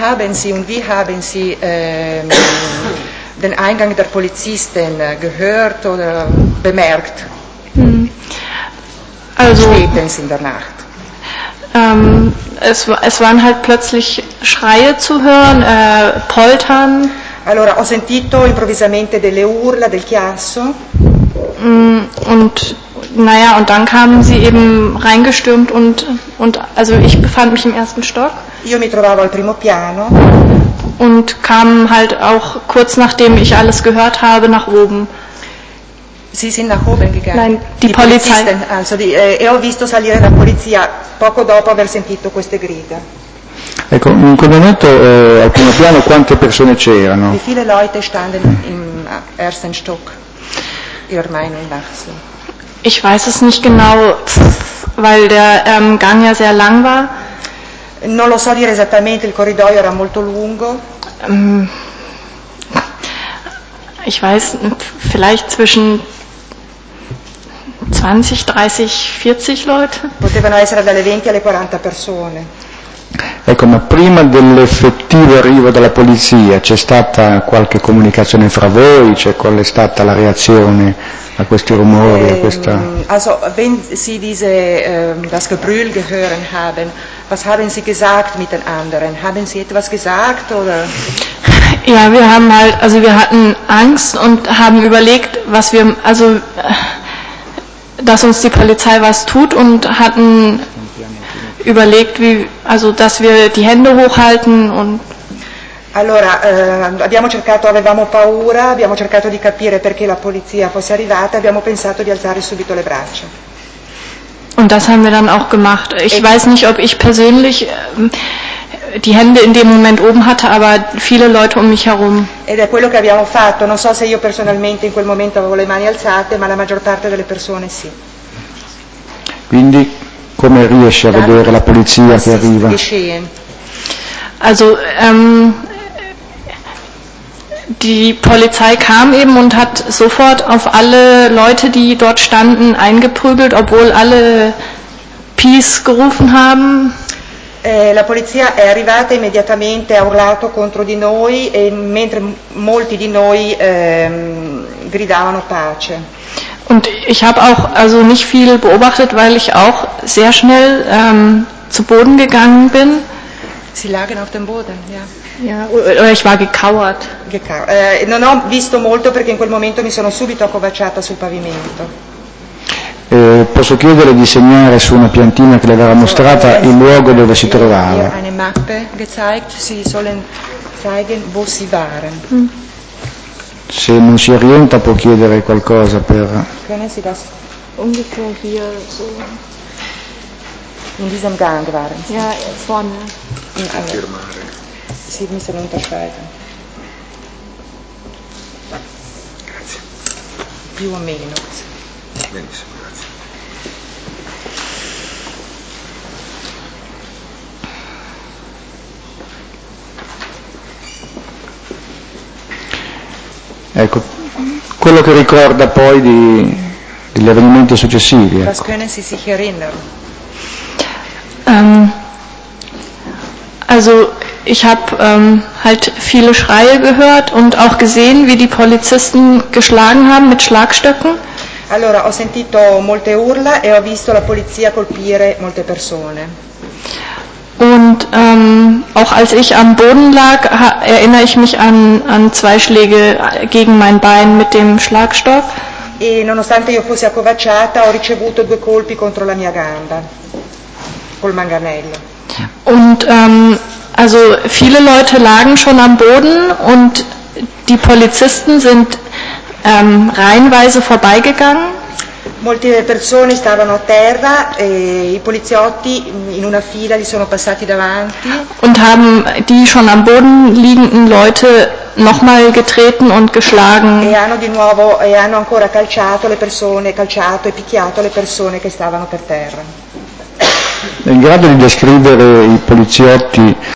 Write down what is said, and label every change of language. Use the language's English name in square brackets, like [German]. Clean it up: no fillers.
[German] Wann haben Sie den Eingang der Polizisten gehört oder bemerkt? Also spätestens in der Nacht. Es waren halt plötzlich Schreie zu hören, Poltern. [Italian] Allora ho sentito improvvisamente delle urla, del chiasso. [German] Und naja, und dann kamen sie eben reingestürmt und also ich befand mich im ersten Stock. [Italian] Io mi trovavo al primo piano. [German] Und kam halt auch kurz nachdem ich alles gehört habe nach oben. Sie sind nach oben gegangen. Nein, die Polizei. [Italian] Also ho visto salire la polizia poco dopo aver sentito queste grida. Ecco, in quel momento al primo piano quante persone c'erano? Wie viele Leute standen im ersten Stock? Ihrer Meinung nach so. Ich weiß es nicht genau, weil der Gang ja sehr lang war. Non lo so dire esattamente, il corridoio era molto lungo. Ich weiß, vielleicht zwischen 20, 30, 40 Leute. Potevano essere dalle 20 alle 40 persone. Ecco, ma prima dell'effettivo arrivo della polizia c'è stata qualche comunicazione fra voi? Cioè, qual è stata la reazione a questi rumori, a questa... [German] Also, wenn Sie diese, das Gebrüll gehört haben, was haben Sie gesagt mit den anderen? Haben Sie etwas gesagt, oder... Ja, wir haben halt, also wir hatten Angst und haben überlegt, was wir, also, dass uns die Polizei was tut und hatten überlegt, wie, also, dass wir die Hände hochhalten und. [Italian] Allora, abbiamo cercato, avevamo paura, abbiamo cercato di capire perché la polizia fosse arrivata, abbiamo pensato di alzare subito le braccia. [German] Und das haben wir dann auch gemacht. Ich weiß nicht, ob ich persönlich die Hände in dem Moment oben hatte, aber viele Leute um mich herum. [Italian] Ed è quello che abbiamo fatto. Non so se io personalmente in quel momento avevo le mani alzate, ma la maggior parte delle persone sì. Quindi, come riesce a vedere la polizia che arriva? [German] Also, die Polizei kam eben und hat sofort auf alle Leute, die dort standen, eingeprügelt, obwohl alle Peace gerufen haben. [Italian] La polizia è arrivata immediatamente, ha urlato contro di noi, e mentre molti di noi gridavano pace. [German] Und ich habe auch also nicht viel beobachtet, weil ich auch sehr schnell zu Boden gegangen bin. Sie lagen auf dem Boden, ja. Ja, oder ich war gekauert. [Italian] Non ho visto molto perché in quel momento mi sono subito accovacciata sul pavimento. Posso chiedere di segnare su una piantina che le aveva mostrata il luogo dove si trovava? [German] Eine Mappe gezeigt, Sie sollen zeigen, wo Sie waren. [Italian] Se non si orienta può chiedere qualcosa per... [German] Können Sie das ungefähr hier so... In diesem Gang waren Sie? Ja, vorne. [Italian] Allora. [German] Sie müssen unterscheiden. [Italian] Grazie. Più o meno. Benissimo. Ecco, quello che ricorda poi di degli avvenimenti successivi. [German] Was können Sie sich erinnern? Also ich habe halt viele Schreie gehört und auch gesehen, wie die Polizisten geschlagen haben mit Schlagstöcken. [Italian] Allora ho sentito molte urla e ho visto la polizia colpire molte persone. [German] Und auch als ich am Boden lag, erinnere ich mich an zwei Schläge gegen mein Bein mit dem Schlagstock. [Italian] E nonostante io fossi accovacciata, ho ricevuto due colpi contro la mia gamba, col manganello. [German] Und also viele Leute lagen schon am Boden und die Polizisten sind reihenweise vorbeigegangen. [Italian] Molte persone stavano a terra e i poliziotti in una fila li sono passati davanti. [German] Und haben die schon am Boden liegenden Leute nochmal getreten und geschlagen. [Italian] E hanno di nuovo e hanno ancora calciato le persone, calciato e picchiato le persone che stavano per terra. È in grado di descrivere i poliziotti?